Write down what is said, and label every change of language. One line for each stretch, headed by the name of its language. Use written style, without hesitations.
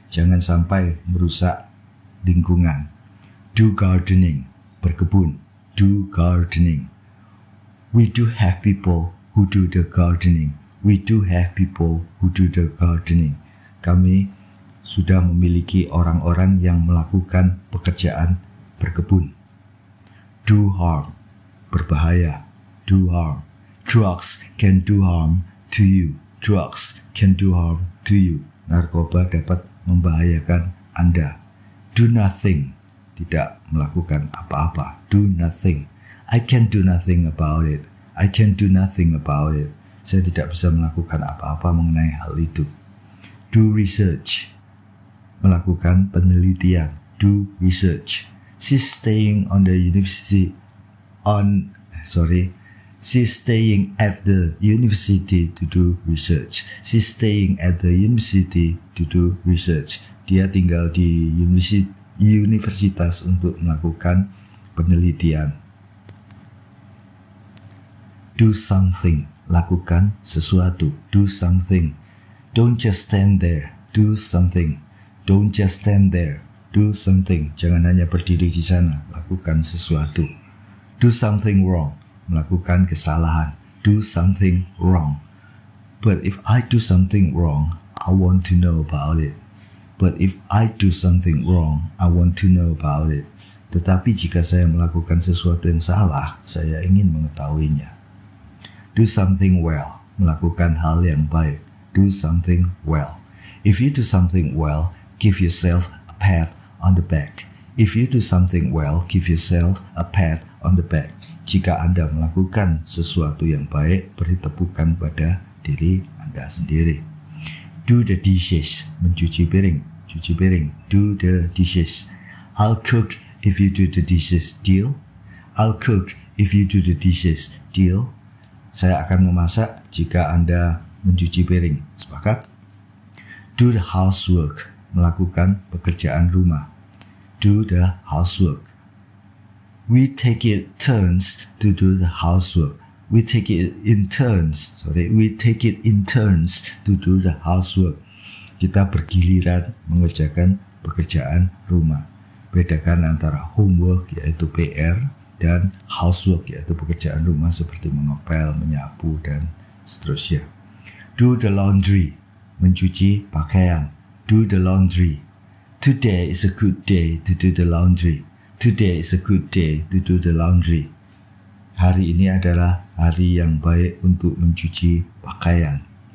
Indonesian: Jangan sampai merusak lingkungan.
English: Do gardening. Berkebun. Do gardening. We do have people who do the gardening. We do have people who do the gardening.
Indonesian: Kami sudah memiliki orang-orang yang melakukan pekerjaan berkebun.
English: Do harm. Berbahaya. Do harm. Drugs can do harm to you. Drugs can do harm to you.
Indonesian: Narkoba dapat membahayakan Anda.
English: Do nothing. Tidak melakukan apa-apa. Do nothing. I can do nothing about it. I can do nothing about it.
Indonesian: Saya tidak bisa melakukan apa-apa mengenai hal itu.
English: Do research. Melakukan penelitian. Do research. She's staying on the university on, sorry. She's staying at the university to do research. She's staying at the university to do research.
Indonesian: Dia tinggal di universitas untuk melakukan penelitian.
English: Do something. Lakukan sesuatu. Do something. Don't just stand there. Do something. Don't just stand there. Do something.
Indonesian: Jangan hanya berdiri di sana. Lakukan sesuatu. Do something wrong.
English: Melakukan kesalahan. Do something wrong. But if I do something wrong, I want to know about it. But if I do something wrong, I want to know about it.
Indonesian: Tetapi jika saya melakukan sesuatu yang salah, saya ingin mengetahuinya. Do something well. Melakukan hal yang baik.
English: Do something well. If you do something well, give yourself a pat on the back. If you do something well, give yourself a pat on the back.
Indonesian: Jika Anda melakukan sesuatu yang baik, beri tepukan pada diri Anda sendiri.
English: Do the dishes. Mencuci piring. Cuci piring. Do the dishes. I'll cook if you do the dishes. Deal? I'll cook if you do the dishes. Deal?
Indonesian: Saya akan memasak jika Anda mencuci piring. Sepakat?
English: Do the housework.
Indonesian: Melakukan pekerjaan rumah.
English: Do the housework. We take it turns to do the housework. We take it in turns. Sorry. We take it in turns to do the housework.
Indonesian: Kita bergiliran mengerjakan pekerjaan rumah. Bedakan antara homework yaitu PR dan housework yaitu pekerjaan rumah seperti mengepel, menyapu dan seterusnya.
English: Do the laundry. Mencuci pakaian. Do the laundry. Today is a good day to do the laundry. Today is a good day to do the laundry.
Indonesian: Hari ini adalah hari yang baik untuk mencuci pakaian.